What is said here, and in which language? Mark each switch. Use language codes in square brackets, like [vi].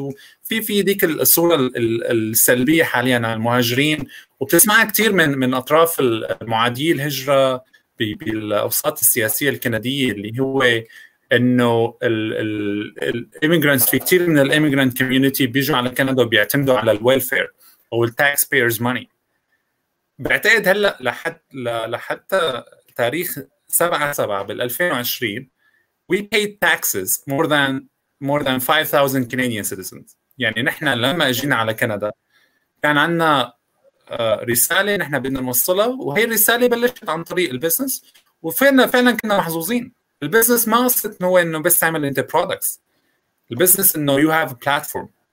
[ar] وفي في ذيك الصورة السلبية حاليًا على المهاجرين، وبتسمعها كتير من أطراف المعادي الهجرة بالأوساط السياسية الكندية، اللي هو إنه الإيميغرانت، في كتير من الإيميغرانت كوميونيتي بيجوا على كندا وبيعتمدوا على الويلفير أو التاكسبيرز ماني. بعتقد هلا لحتى تاريخ 7/7 بال2020 [en] we paid taxes more than 5000 Canadian citizens. [ar] يعني نحن لما اجينا على كندا كان عندنا رساله نحن بدنا نوصلها، وهي الرساله بلشت عن طريق البزنس. وفعلا فعلا كنا محظوظين. البزنس ما قصدت انه بس تعمل انت برودكتس، البزنس انه [en] you have a platform.